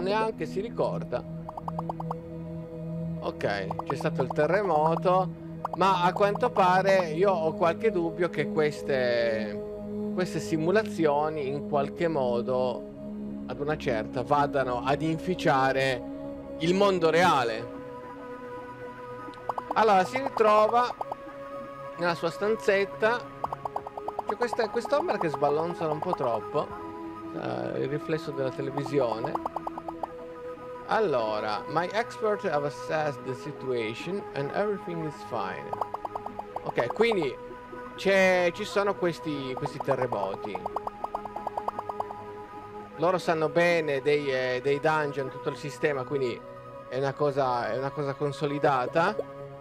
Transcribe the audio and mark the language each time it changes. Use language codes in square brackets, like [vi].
[it] Neanche si ricorda. Ok, c'è stato il terremoto, ma a quanto pare io ho qualche dubbio che queste simulazioni in qualche modo ad una certa vadano ad inficiare il mondo reale. Allora si ritrova nella sua stanzetta. C'è quest'ombra che sballonza un po' troppo, il riflesso della televisione. [en] Allora, my expert have assessed the situation and everything is fine. [it] Ok, quindi ci sono questi terremoti. Loro sanno bene dei dungeon, tutto il sistema, quindi è una cosa consolidata.